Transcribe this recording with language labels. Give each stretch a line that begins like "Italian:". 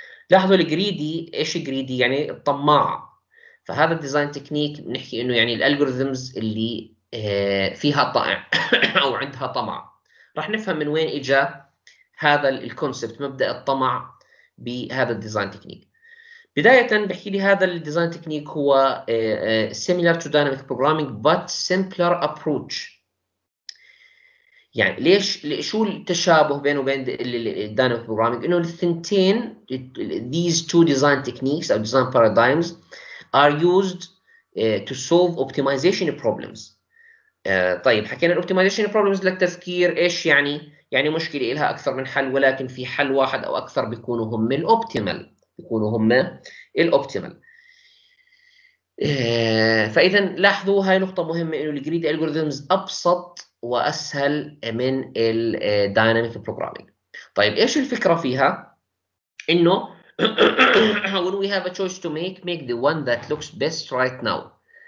Arabic: لاحظوا الجريدي، ايش الجريدي؟ يعني الطماع. فهذا الديزاين تكنيك بنحكي انه يعني الالجوريزمز اللي فيها طائع او عندها طمع. راح نفهم من وين اجى هذا الكونسبت، مبدا الطمع بهذا الديزاين تكنيك. بدايه بحكي لي هذا الديزاين تكنيك هو
English: Similar to dynamic programming but simpler approach.
Arabic: يعني ليش؟ شو التشابه بينه وبين الديناميك بروجرامينج؟ انه الثنتين،
English: these two design techniques or design paradigms are used to solve optimization problems.
Arabic: طيب حكينا الاوبتمايزيشن بروبلمز، للتذكير ايش يعني؟ يعني مشكله لها اكثر من حل، ولكن في حل واحد او اكثر بيكونوا هم الاوبتيمال، بيكونوا هم الاوبتيمال. فاذا لاحظوا هاي نقطه مهمه، انه الجريدي الجوريزمز ابسط وأسهل من الـ Dynamic Programming. طيب إيش الفكرة فيها؟ إنه
English: when we have a choice to make, make the one that looks best right now.